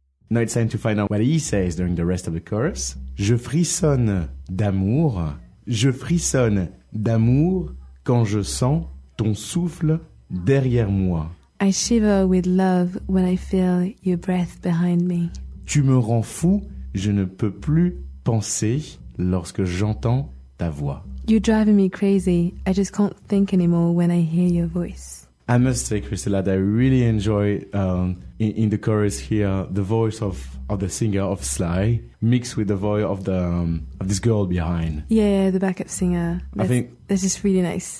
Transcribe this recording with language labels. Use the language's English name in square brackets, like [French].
[English] Now it's time to find out what he says during the rest of the chorus. [French] Je frissonne d'amour. Je frissonne d'amour quand je sens ton souffle derrière moi. [English] I shiver with love when I feel your breath behind me. [French] Tu me rends fou. Je ne peux plus penser lorsque j'entends ta voix. [English] You're driving me crazy. I just can't think anymore when I hear your voice. I must say, Christella, that I really enjoy in the chorus here the voice of the singer of Sly mixed with the voice of the of this girl behind. Yeah, the backup singer. That's just really nice.